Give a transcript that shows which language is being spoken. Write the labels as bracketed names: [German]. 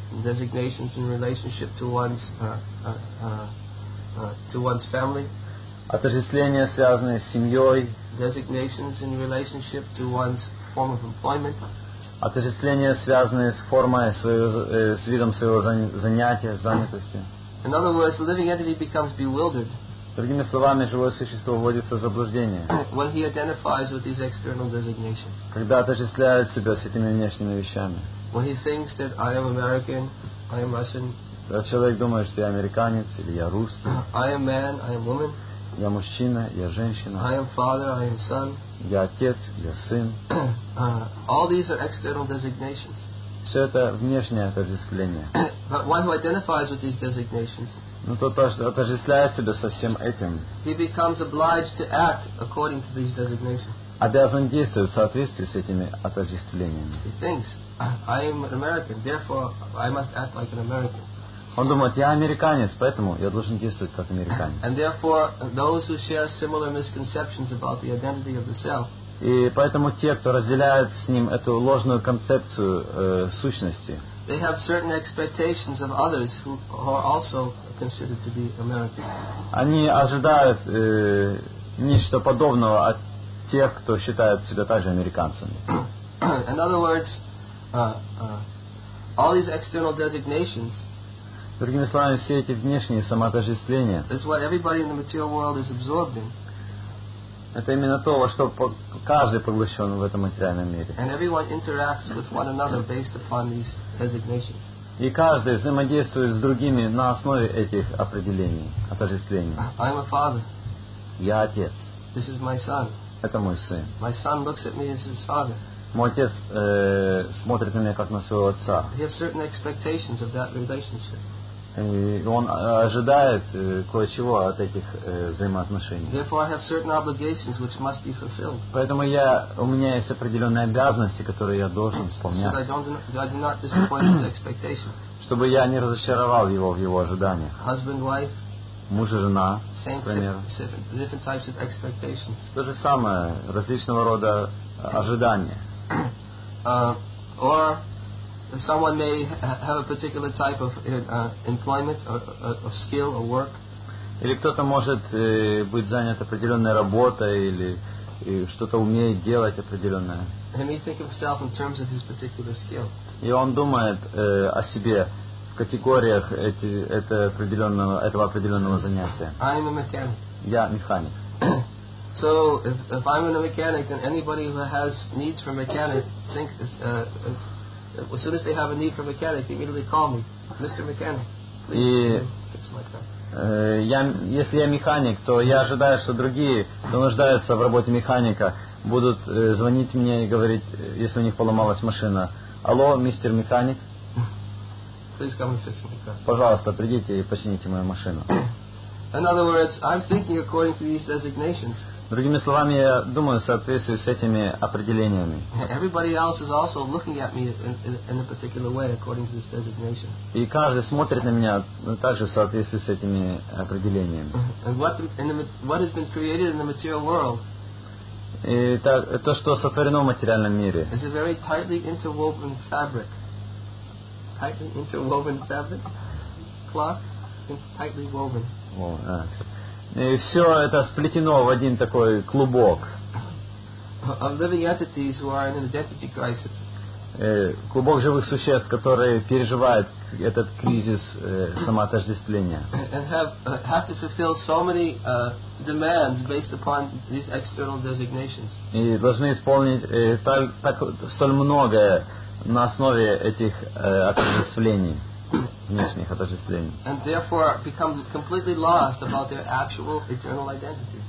[English] Designations in relationship to one's family. [Russian] Отождествления, связанные с семьей. [English] Designations in relationship to one's form of employment. [Russian] Отождествления, связанные с формой с видом своего занятия, занятости. [English] In other words, the living entity becomes bewildered. [Russian] Другими словами, живое существо вводится в заблуждение. [English] When he identifies with these external designations. [Russian] Когда отождествляет себя с этими внешними вещами. [English] When he thinks that I am American, I am Russian. [Russian] Когда человек думает, что я американец или я русский. [English] I am man, I am woman. [Russian] Я мужчина, я женщина. [English] I am father, I am son. [Russian] Я отец, я сын. [English] All these are external designations. [Russian] Все это внешнее отождествление. [English] But one who identifies with these designations. [Russian] Но тот, кто отождествляет себя со всем этим, [English] he becomes obliged to act according to these designations. [Russian] Обязан действовать в соответствии с этими отождествлениями. [English] He thinks, I am American, therefore I must act like an American. [Russian] Он думает, я американец, поэтому я должен действовать как американец. [English] And therefore, those who share similar misconceptions about the identity of the self. [Russian] И поэтому те, кто разделяет с ним эту ложную концепцию сущности. [English] They have certain expectations of others who are also considered to be American. [Russian] Они ожидают нечто подобного от тех, кто считает себя также американцами. [English] In other words, all these external designations. [Russian] Другими словами, все эти внешние самоотождествления. [English] Is what everybody in the material world is absorbed in. [Russian] Это именно то, во что каждый поглощен в этом материальном мире. [English] And everyone interacts with one another based upon these designations. [Russian] И каждый взаимодействует с другими на основе этих определений, отождествлений. [English] I'm a father. [Russian] Я отец. [English] This is my son. [Russian] Это мой сын. [English] My son looks at me as his father. [Russian] Мой отец смотрит на меня как на своего отца. [English] He has certain expectations of that relationship. [Russian] И он ожидает кое-чего от этих взаимоотношений. [English] Therefore, I have certain obligations which must be fulfilled. [Russian] Поэтому у меня есть определенные обязанности, которые я должен исполнять. [English] So that I do not disappoint his expectations. [Russian] Чтобы я не разочаровал его в его ожиданиях. [English] Husband, wife. [Russian] Муж и жена, например. [English] Different types of expectations. [Russian] То же самое, различного рода ожидания. [English] Or someone may have a particular type of employment or skill or work. [Russian] Или кто-то может быть занят определенной работой, или что-то умеет делать определенное. [English] He may think of himself in terms of his particular skill. [Russian] И он думает о себе в категориях этого определенного занятия. [English] I'm a mechanic. [Russian] Я механик. [English] So if I'm a mechanic, then anybody who has needs for mechanic thinks this. As soon as they have a need for mechanic, they immediately call me, Mr. Mechanic. [Russian] И если я механик, то я ожидаю, что другие, кто нуждаются в работе механика, будут звонить мне и говорить, если у них поломалась машина. Алло, мистер механик. [English] Please come and fix my car. [Russian] Пожалуйста, придите и почините мою машину. [English] In other words, I'm thinking according to these designations. [Russian] Другими словами, я думаю в соответствии с этими определениями. [English] Everybody else is also looking at me in a particular way according to this designation. [Russian] И каждый смотрит на меня также в соответствии с этими определениями. [English] And what has been created in the material world? [Russian] И так, то, что сотворено в материальном мире. [English] Is a very tightly interwoven fabric. Tightly interwoven fabric? Cloth? Tightly woven. [Russian] И все это сплетено в один такой клубок. [English] Of living entities who are in an identity crisis. [Russian] Клубок живых существ, которые переживают этот кризис самоотождествления. [English] And have to fulfill so many demands based upon these external designations. [Russian] И должны исполнить так столь многое на основе этих отождествлений. Внешних отождествлений. [English] And therefore become completely lost about their actual eternal identity.